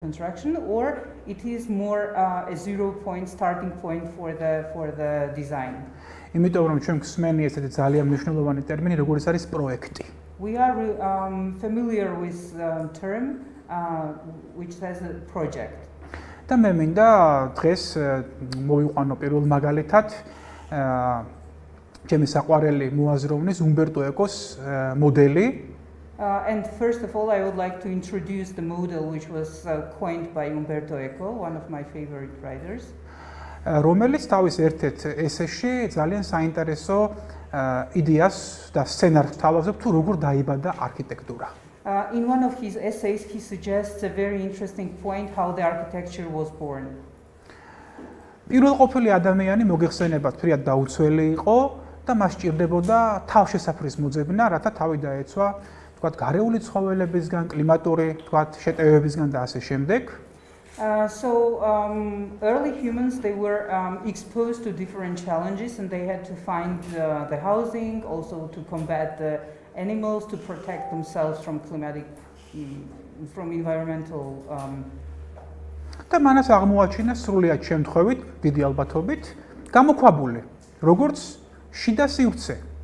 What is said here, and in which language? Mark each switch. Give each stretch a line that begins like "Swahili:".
English: construction, or it is more a zero point, starting point for the design.
Georgian: Იმიტომ რომ ჩვენ გვსმენია ესეთი ძალიან მნიშვნელოვანი ტერმინი, როგორც არის პროექტი.
English: We are familiar with the term which says a project.
Georgian: და მე მინდა დღეს მოვიყვანო პირველ მაგალითად ჩემი საყვარელი მოაზროვნის უმბერტო ეკოს მოდელი.
English: And first of all, I would like to introduce the model which was coined by Umberto Eco, one of my favorite writers.
Georgian: Რომელიც თავის ერთ-ერთ ესეში ძალიან საინტერესო იდეას და სცენარს თავაზობთ, თუ როგორ დაიბადა არქიტექტურა.
English: In one of his essays, he suggests a very interesting point how the architecture was born.
Georgian: პირველყოფილი ადამიანი მოგეხსენებათ, ფრიად დაუცველი იყო და მას სჭირდებოდა თავშესაფრის მოძებნა, რათა თავი დაეცვა თქვათ გარეული ცხოველებისგან, კლიმატური თქვათ შეტევებისგან და ასე შემდეგ.
English: Early humans, they were exposed to different challenges and they had to find the housing, also to combat the animals, to protect themselves from climatic, from environmental.
Georgian: და მანაც აღმოაჩინა სრულიად შემთხვევით, დიდი ალბათობით, გამოქვაბული, როგორც შიდა სივრცე.